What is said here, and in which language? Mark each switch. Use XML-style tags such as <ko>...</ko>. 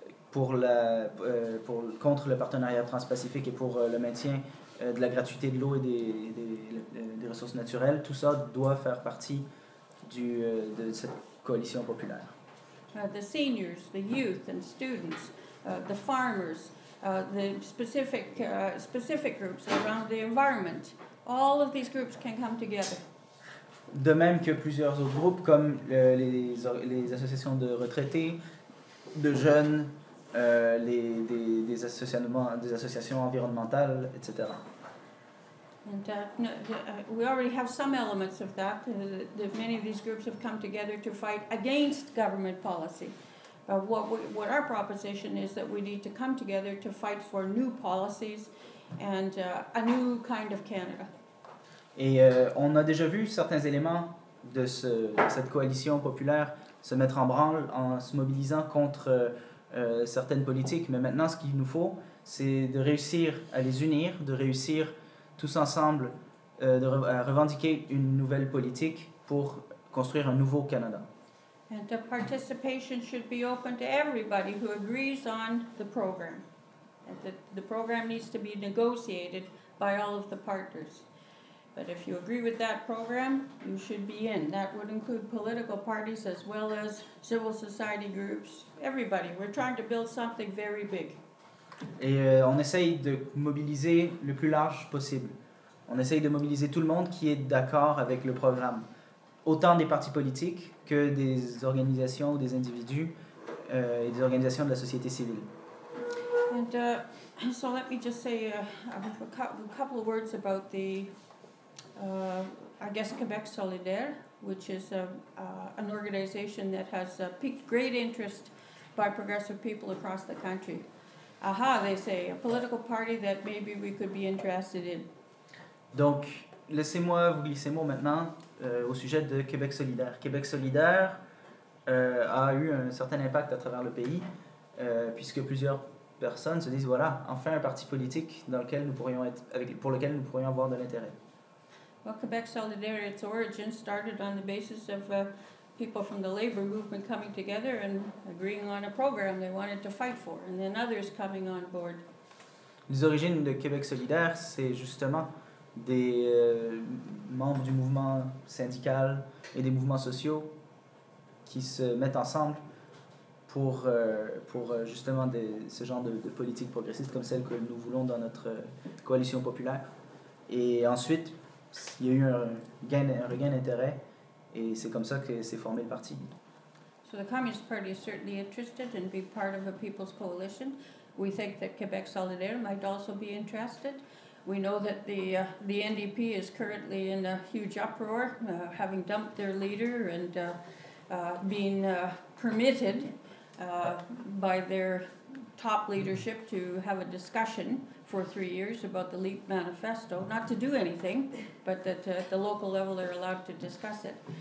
<fr>pour contre le partenariat transpacifique et pour le maintien de la gratuité de l'eau et des ressources naturelles. Tout ça doit faire partie de cette coalition populaire.</fr> <en>The seniors, the youth and students, the farmers, the specific groups around the environment, all of these groups can come together.</en> <fr>De même que plusieurs autres groupes comme les associations de retraités, de jeunes, des associations environnementales, etc.</fr> <en>And we already have some elements of that. Many of these groups have come together to fight against government policy. But what our proposition is that we need to come together to fight for new policies and a new kind of Canada.</en> <fr>Et on a déjà vu certains éléments de cette coalition populaire se mettre en branle en se mobilisant contre certaines politiques. Mais maintenant, ce qu'il nous faut, c'est de réussir à les unir, de réussir tous ensemble à revendiquer une nouvelle politique pour construire un nouveau Canada.</fr> <en>And the participation should be open to everybody who agrees on the program. And the program needs to be negotiated by all of the partners. But if you agree with that program, you should be in. That would include political parties as well as civil society groups. Everybody. We're trying to build something very big.</en> <fr>Et on essaye de mobiliser le plus large possible. On essaye de mobiliser tout le monde qui est d'accord avec le programme. Autant des partis politiques que des organisations ou des individus et des organisations de la société civile.</fr> <en>And so let me just say a couple of words about the, I guess, Québec Solidaire, which is an organization that has piqued great interest by progressive people across the country. Aha, they say, a political party that maybe we could be interested in.</en> <fr>Donc, laissez-moi vous glisser mot maintenant au sujet de Québec solidaire. Québec solidaire a eu un certain impact à travers le pays, puisque plusieurs personnes se disent, voilà, enfin un parti politique dans lequel nous pourrions être, pour lequel nous pourrions avoir de l'intérêt.</fr> <en>Well, Québec solidaire, its origin started on the basis of people from the labor movement coming together and agreeing on a program they wanted to fight for, and then others coming on board.</en> <fr>Les origines de Québec solidaire, c'est justement des membres du mouvement syndical et des mouvements sociaux qui se mettent ensemble pour justement ce genre de politique progressiste comme celle que nous voulons dans notre coalition populaire. Et ensuite, il y a eu un regain d'intérêt. Et c'est comme ça que s'est formé le parti.</fr> <en>So the Communist Party is certainly interested in being part of a people's coalition. We think that Québec Solidaire might also be interested. We know that the NDP is currently in a huge uproar, having dumped their leader and being permitted by their top leadership to have a discussion for 3 years about the LEAP manifesto, not to do anything, but that at the local level they're allowed to discuss it.</en>